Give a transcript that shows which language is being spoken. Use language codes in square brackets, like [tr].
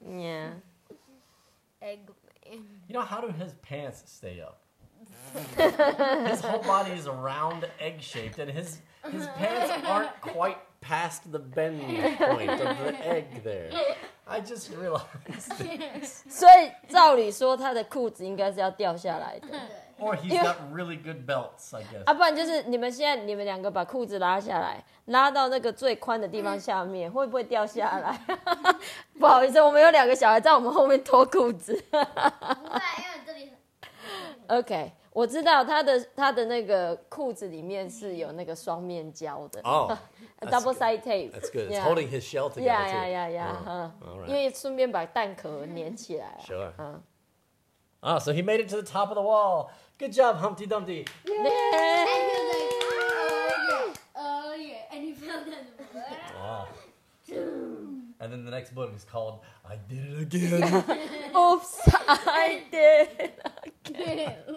[en] Yeah. Egg. You know, how do his pants stay up? His whole body is round, egg-shaped, and his pants aren't quite past the bend point of the egg there. I just realized this. [zh] 所以照理说他的裤子应该是要掉下来的。 [en] Or he's got really good belts, I guess. [zh] 不然就是你们现在你们两个把裤子拉下来, 拉到那个最宽的地方下面, 会不会掉下来? 不好意思, 我们有两个小孩, 在我们后面脱裤子。不会, 我知道, 他的那个裤子里面是有那个双面胶的。 [en] Oh, double side tape. That's good. It's holding his shell together. Yeah. All right. [zh] 因为顺便把蛋壳粘起来。 [en] Sure. Oh, so he made it to the top of the wall. Good job, Humpty Dumpty. Yay! And he was like, oh yeah. And he fell down the wall. Wow. And then the next book is called, I Did It Again. Oops, I did it again.